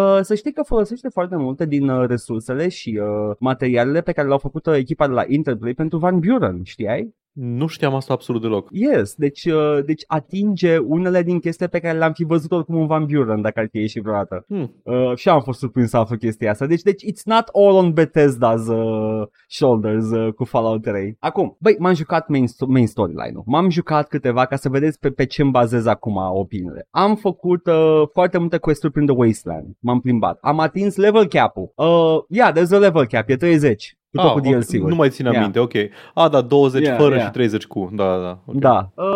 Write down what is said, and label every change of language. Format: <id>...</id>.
<ro>Să știi că folosește foarte multe din resursele și materialele pe care le-au făcut echipa de la Interplay pentru Van Buren, știai? Nu știam asta absolut deloc. Yes, deci atinge unele din chestii pe care le-am fi văzut oricum în Van Buren, dacă ar fi ieșit vreodată. Și am fost surprins să aflu chestia asta. Deci</ro> <en>it's not all on Bethesda's shoulders</en> <ro>cu Fallout 3. Acum, băi, m-am jucat main storyline-ul. M-am jucat câteva ca să vedeți pe ce îmi bazez acum opiniile. Am făcut foarte multe quest-uri prin The Wasteland. M-am plimbat. Am atins level cap-ul.</ro> <en>There's a level cap,</en> <ro>e 30. Nu mai țin aminte, ok. Ah, da, 20 fără și 30 cu. Da.</ro>